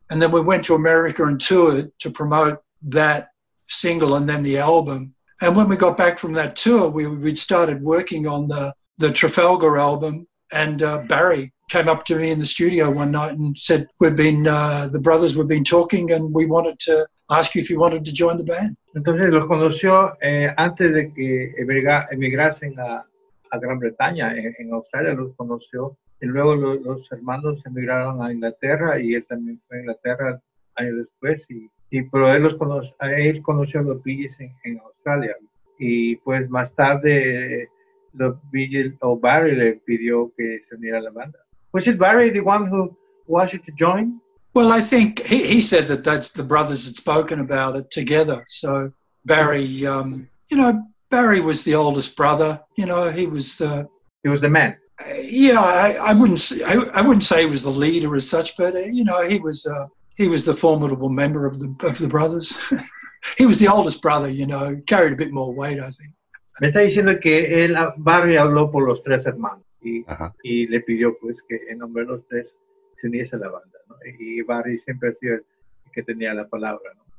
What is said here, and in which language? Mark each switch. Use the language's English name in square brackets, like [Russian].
[English] And then we went to America and toured to promote that single and then the album. And when we got back from that tour, we'd started working on the Trafalgar album. And Barry came up to me in the studio one night and said, the brothers were talking and we wanted to ask you if you wanted to join the band. [Spanish] Entonces los conoció antes de que emigrasen a Gran Bretaña, en Australia los conoció. Y luego los hermanos emigraron a Inglaterra y él también fue a Inglaterra años después. Pero él conoció a los Bee Gees en Australia. Y pues más tarde los Bee Gees o Barry le pidió que se uniera a la banda. [English] Was it Barry the one who wanted you to join? Well, I think he said that's the brothers had spoken about it together. So Barry, you know, Barry was the oldest brother. You know, he was the man. I wouldn't say he was the leader as such, but you know, he was the formidable member of the brothers. He was the oldest brother, you know, carried a bit more weight, I think. [Spanish] Me está diciendo que él Barry habló por los tres hermanos y le pidió pues que en nombre de los tres se uniese a la banda, ¿no? Y Barry siempre ha sido el que tenía la palabra, ¿no?